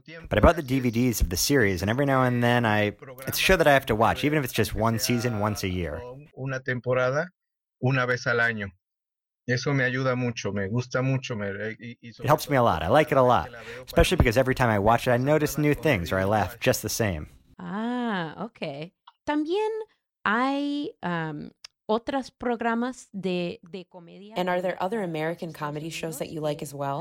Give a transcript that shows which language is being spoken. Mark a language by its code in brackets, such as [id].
[en] But I bought the DVDs of the series, and every now and then it's a show that I have to watch, even if it's just one season once a year. [es] Una temporada, una vez al año. Eso me ayuda mucho, me gusta mucho. [en] It helps me a lot. I like it a lot, especially because every time I watch it, I notice new things or I laugh just the same. Ah, okay. [es] También hay otras programas de comedia. [en] And are there other American comedy shows that you like as well?